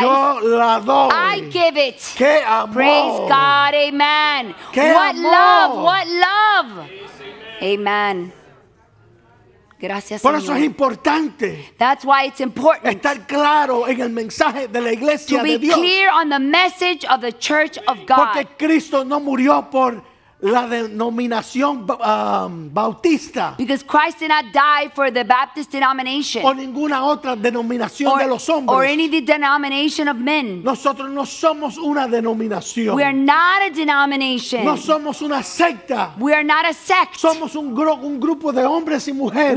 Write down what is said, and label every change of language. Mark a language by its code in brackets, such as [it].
[es] Yo la doy. [en] I give it. [es] Qué amor. [en] Praise God. Amen. [es] Qué [en] what [es] amor. [en] Love. What love. Amen. [es] Gracias, por Señor. Eso es importante. [en] That's why it's important. [es] Estar claro en el mensaje de la iglesia [en] to [es] de Dios. [en] To be clear on the message of the church of God. [es] Porque Cristo no murió por la denominación bautista. [en] Because Christ did not die for the Baptist denomination. [es] O ninguna otra denominación de los hombres. [en] Or any denomination of men. [es] Nosotros no somos una denominación. [en] We are not a denomination. [es] No somos una secta. [en] We are not a sect. [es] Somos un grupo de hombres y mujeres.